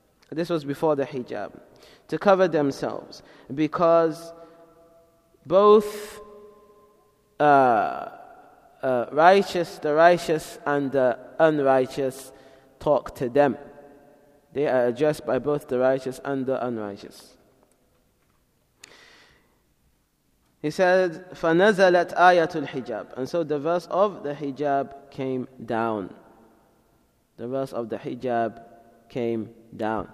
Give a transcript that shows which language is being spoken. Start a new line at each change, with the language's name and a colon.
English: This was before the hijab. To cover themselves. Because both the righteous and the unrighteous talk to them. They are addressed by both the righteous and the unrighteous. He said,
Arabic: فَنَزَلَتْ آيَةُ الْحِجَابِ.
English: And so the verse of the hijab came down. The verse of the hijab came down.